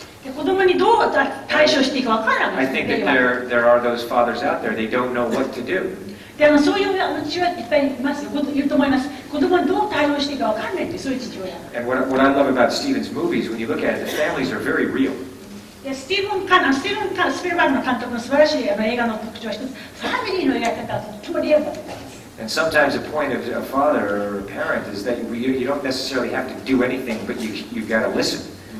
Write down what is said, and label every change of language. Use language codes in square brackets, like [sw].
[ja] で子供にどう対処していいか分からない。 [en] I think that there are those fathers out there, they don't know what to do. [ja] でそういう父親っていっぱいいますよ、いると思います。子供にどう対応していいか分からないって、そういう父親。 [en] And what I love about Stephen's movies, when you look at it, the families are very real. And sometimes the point of a father or a parent is that you don't necessarily have to do anything, but you've got to listen.